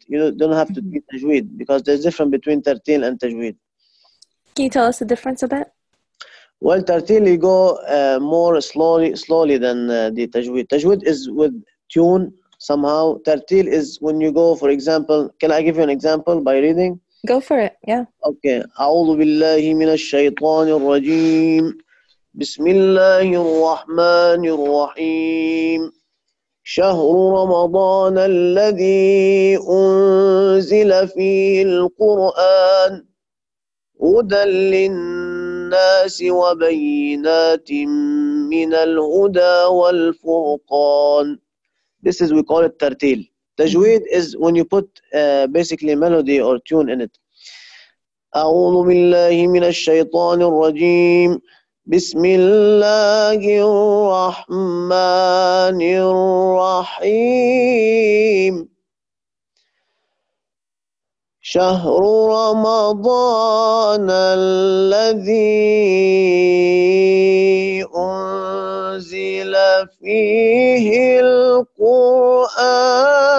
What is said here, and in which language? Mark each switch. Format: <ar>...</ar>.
<en>You don't have to be tajweed, because there's a difference between tartil and tajweed. Can you tell us the difference a bit? Well, tartil, you go more slowly than the tajweed. Tajweed is with tune somehow. Tartil is when you go, for example, can I give you an example by reading? Go for it, yeah. Okay.</en> <ar>أعوذ بالله من الشيطان الرجيم. بسم الله الرحمن الرحيم شهر رمضان الذي أنزل فيه القرآن هدى للناس وبينات من الهدى والفرقان.</ar> <en>This is, we call it tartil. Tajweed is when you put basically melody or tune in it.</en> <ar>أعوذ بالله من الشيطان الرجيم بسم الله الرحمن الرحيم شهر رمضان الذي أنزل فيه القرآن</ar>